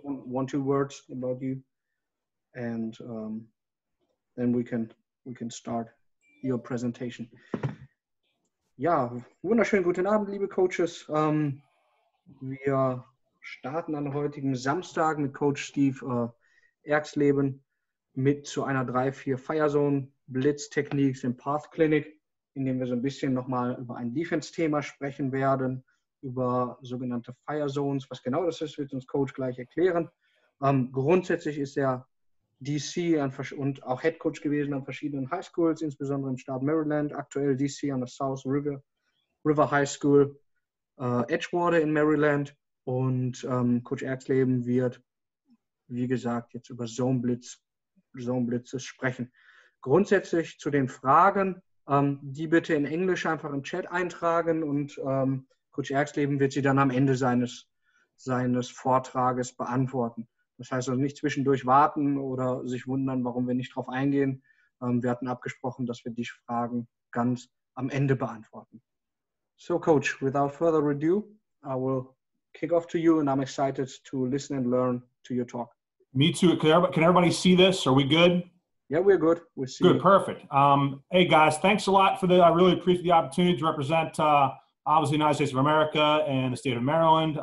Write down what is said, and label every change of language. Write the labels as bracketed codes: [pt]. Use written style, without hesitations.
[en] One, two words about you, and then we can start your presentation. [de] Ja, wunderschönen guten Abend, liebe Coaches. Wir starten an heutigen Samstag mit Coach Steve Erxleben mit zu einer 3-4 Firezone Blitz Techniques im Path Clinic, in dem wir so ein bisschen nochmal über ein Defense-Thema sprechen werden, über sogenannte Firezones. Was genau das ist, wird uns Coach gleich erklären. Grundsätzlich ist er DC und auch Head Coach gewesen an verschiedenen High Schools, insbesondere im Staat Maryland, aktuell DC an der South River High School, Edgewater in Maryland. Und Coach Erxleben wird, wie gesagt, jetzt über Zone Blitzes sprechen. Grundsätzlich zu den Fragen, die bitte in Englisch einfach im Chat eintragen und Coach Erxleben wird sie dann am Ende seines Vortrages beantworten. Das heißt also nicht zwischendurch warten oder sich wundern, warum wir nicht drauf eingehen. Wir hatten abgesprochen, dass wir die Fragen ganz am Ende beantworten. [en] So Coach, without further ado, I will kick off to you and I'm excited to listen and learn to your talk. Me too. Can everybody see this? Are we good? Yeah, we're good. We'll see. Good, perfect. Hey guys, thanks a lot for I really appreciate the opportunity to represent obviously the United States of America and the state of Maryland.